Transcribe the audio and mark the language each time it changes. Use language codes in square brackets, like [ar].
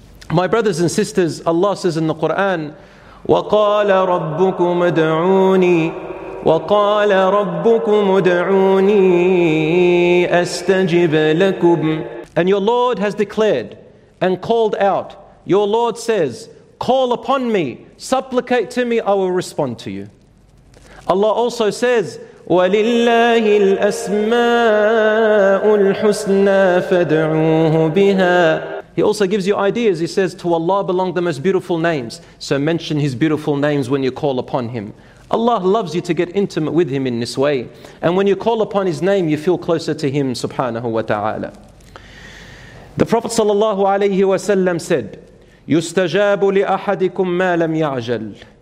[en] My brothers and sisters, Allah says in the Quran, [ar] وَقَالَ رَبُّكُمُ ادْعُونِي وَقَالَ رَبُّكُمُ ادْعُونِي أَسْتَجِبَ لَكُمْ. [en] And your Lord has declared and called out. Your Lord says, call upon me, supplicate to me, I will respond to you. Allah also says, [ar] وَلِلَّهِ الْأَسْمَاءُ الْحُسْنَى فَادْعُوهُ بِهَا. [en] He also gives you ideas. He says, to Allah belong the most beautiful names. So mention His beautiful names when you call upon Him. Allah loves you to get intimate with Him in this way. And when you call upon His name, you feel closer to Him, subhanahu wa ta'ala. The Prophet sallallahu alayhi wa sallam said, [ar] يُسْتَجَابُ لِأَحَدِكُمْ مَا لَمْ يَعْجَلْ.